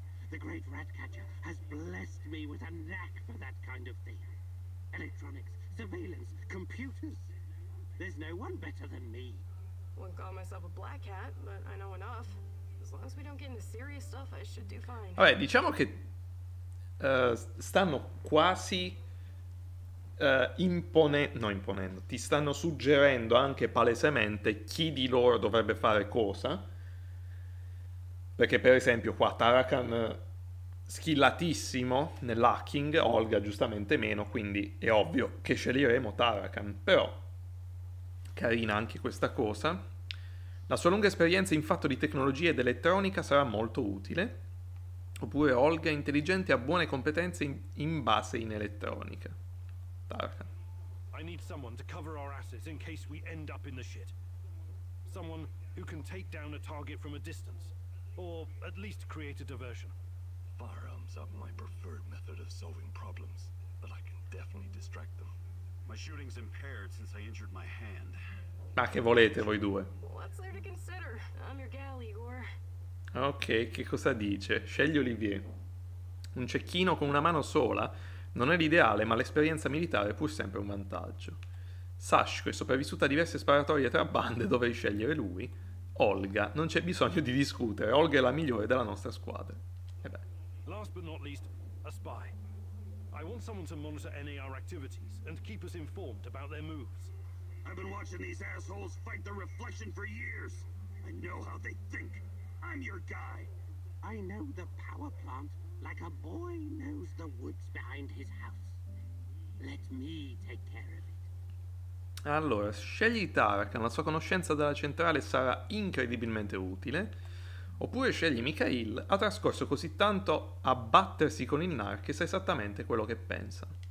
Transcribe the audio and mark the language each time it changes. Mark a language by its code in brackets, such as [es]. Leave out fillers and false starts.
[en] The great rat catcher has blessed me with a knack for that kind of thing. electronics, surveillance, computers. There's no one better than me. Wouldn't call myself a black hat, but I know enough. As long as we don't get into serious stuff, I should do fine. [it] Vabbè, diciamo che stanno quasi ti stanno suggerendo anche palesemente chi di loro dovrebbe fare cosa. Perché, per esempio, qua Tarakan skillatissimo nell'hacking, Olga giustamente meno, quindi è ovvio che sceglieremo Tarakan. Però carina anche questa cosa. La sua lunga esperienza in fatto di tecnologia ed elettronica sarà molto utile. Oppure Olga è intelligente e ha buone competenze in base in elettronica. Tarakan. [en] I need someone to cover our asses in case we end up in the shit. Someone who can take down a target from a distance. Or at least create a diversion. Firearms are my preferred method of solving problems, but I can definitely distract them. My shooting's impaired since I injured my hand. [it] Ma che volete voi due? [en] What's there to consider? I'm your gal, Igor. [it] Ok, che cosa dice? Scegli Olivier. Un cecchino con una mano sola non è l'ideale, ma l'esperienza militare è pur sempre un vantaggio. Sashko è sopravvissuta a diverse sparatorie tra bande, dovrei scegliere lui. Olga, non c'è bisogno di discutere, Olga è la migliore della nostra squadra. E beh. [en] Last but not least, a spy. I want someone to monitor NAR activities and keep us informed about their moves. I've been watching these assholes fight the reflection for years. I know how they think. I'm your guy. I know the power plant like a boy knows the woods behind his house. Let me take care of it. [it] Allora, scegli Tarakan, la sua conoscenza della centrale sarà incredibilmente utile. Oppure scegli Mikhail, ha trascorso così tanto a battersi con il NAR che sa esattamente quello che pensa.